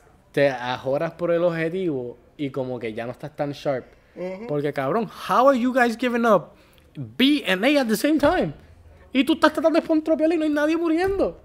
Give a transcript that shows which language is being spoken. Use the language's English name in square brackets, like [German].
[Spanish] Te ajoras por el objetivo y como que ya no estás tan sharp. Uh-huh. Porque cabrón, [English] how are you guys giving up B and A at the same time? [Spanish] Y tú estás tratando de spawn tropear y no hay nadie muriendo.